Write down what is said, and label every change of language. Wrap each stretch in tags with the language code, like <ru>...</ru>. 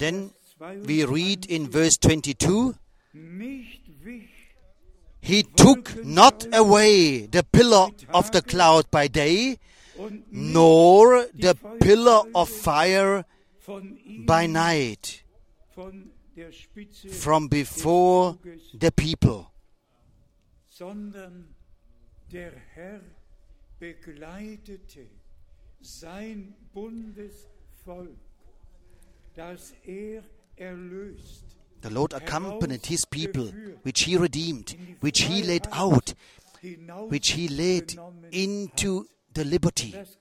<en>and then we read in verse 22,</en> <de>nicht wich</de> <en>he took not away the pillar of the cloud by day, nor the pillar of fire by night</en> <de>von der Spitze</de> <en>from before the people.</en> <de>Sondern der Herr begleitete sein Bundesvolk, das er erlöst.</de> <en>The Lord accompanied his people, which he redeemed, which he led out, which he led into the liberty.</en>